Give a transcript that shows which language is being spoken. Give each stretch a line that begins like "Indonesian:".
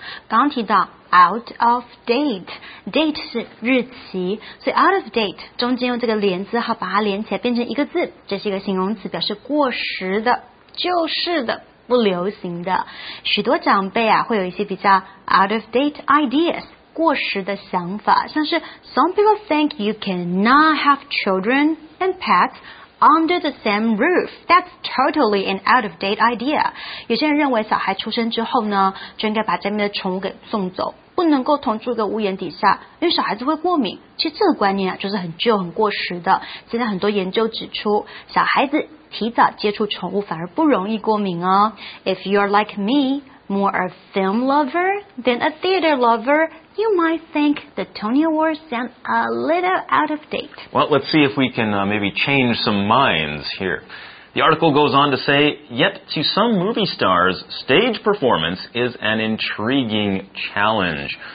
Chinese: 刚提到 out of date, date 是日期，所以 out of date 中间用这个连字号把它连起来变成一个字，这是一个形容词，表示过时的、旧式的、不流行的。许多长辈啊，会有一些比较 out of date ideas。过时的想法，像是
English: some people think you cannot have children and pets under the same roof. That's totally an out of date idea.
Chinese: 有些人认为小孩出生之后呢，就应该把家里面的宠物给送走，不能够同住一个屋檐底下，因为小孩子会过敏。其实这个观念啊，就是很旧、很过时的。现在很多研究指出，小孩子提早接触宠物反而不容易过敏哦。
English: If you are like me, more a film lover than a theater lover,You might think the Tony Awards sound a little out of date. Well, let's see if we can maybe change some minds here. The article goes on to say, yet to some movie stars, stage performance is an intriguing challenge.